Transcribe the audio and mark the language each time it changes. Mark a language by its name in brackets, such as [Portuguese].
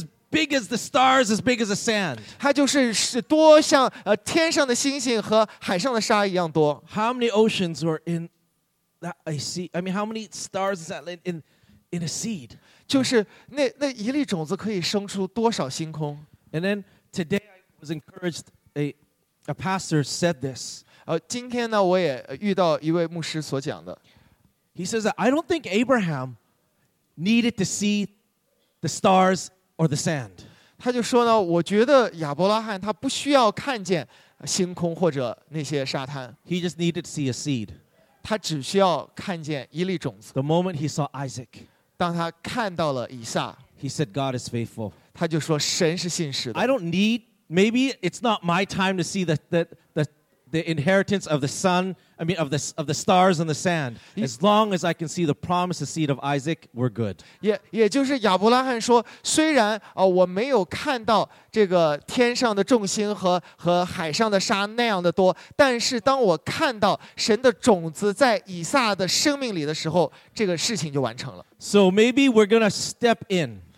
[English] Big as the stars, as big as the sand. [Chinese] 它就是多像天上的星星和海上的沙一样多。 [English] How many oceans were in that a seed? I mean, how many stars is that in a seed? [Chinese] 就是那一粒种子可以生出多少星空 [English] ？And then today I was encouraged. A pastor said this. [Chinese] 今天呢，我也遇到一位牧师所讲的。 [English] He says that I don't think Abraham needed to see the stars. Or the sand. [Chinese] 他就说呢，我觉得亚伯拉罕他不需要看见星空或者那些沙滩。 [English] He just needed to see a seed. [Chinese] 他只需要看见一粒种子。 [English] The moment he saw Isaac, [Chinese] 当他看到了以撒 [English] he said God is faithful. [Chinese] 他就说神是信实的。 [English] I don't need. Maybe it's not my time to see the inheritance of the sun. I mean of the stars and the sand. As long as I can see the promised seed of Isaac, we're good. [Chinese] 也就是亚伯拉罕说，虽然我没有看到这个天上的众星和海上的沙那样的多，但是当我看到神的种子在以撒的生命里的时候，这个事情就完成了。 [English] So maybe we're gonna step in.